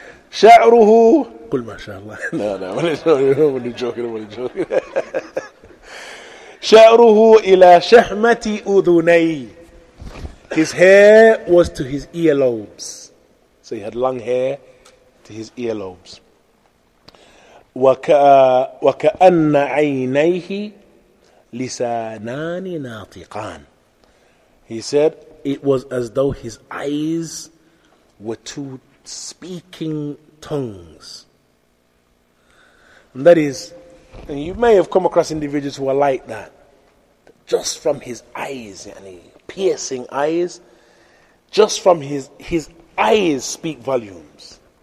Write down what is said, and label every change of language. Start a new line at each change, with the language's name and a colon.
Arabic: Sha'ruhu. قل ما شاء الله.
English: No, I'm only joking.
Arabic: شعره إلى شحمة أذني.
English: His hair was to his earlobes. So he had long hair to his earlobes.
Arabic: وكأن عينيه لسانان ناطقان.
English: He said, it was as though his eyes were two speaking tongues. And that is, and you may have come across individuals who are like that, just from his eyes, yani, piercing eyes, just from his eyes speak volumes.